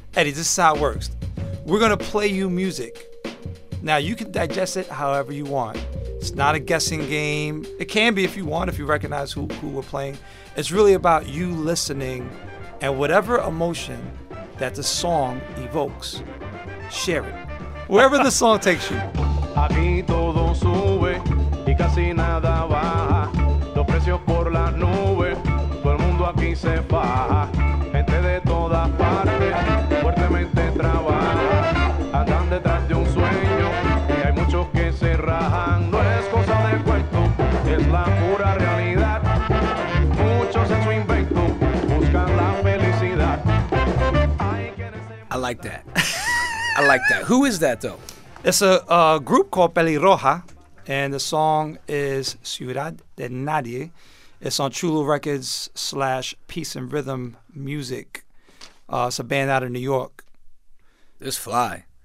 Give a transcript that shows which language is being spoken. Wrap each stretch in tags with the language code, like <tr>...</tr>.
<en>Eddie, this is how it works. We're going to play you music. Now, you can digest it however you want. It's not a guessing game. It can be if you want, if you recognize who we're playing. It's really about you listening and whatever emotion that the song evokes, share it. Wherever the song takes you.</en> <es>Aquí todo sube y casi nada baja. Los precios por la nube, todo el mundo aquí se faja. Gente de todas partes, fuertemente trabaja. Andan detrás de un sueño, y hay muchos que se rajan. No es cosa de cuento, es la pura realidad. Muchos en su invento, buscan la felicidad.</es> <en>I like that. I like that. Who is that, though? It's a group called Pelirroja. And the song is Ciudad de Nadie. It's on Chulo Records / Peace and Rhythm Music. It's a band out of New York. This fly.</en>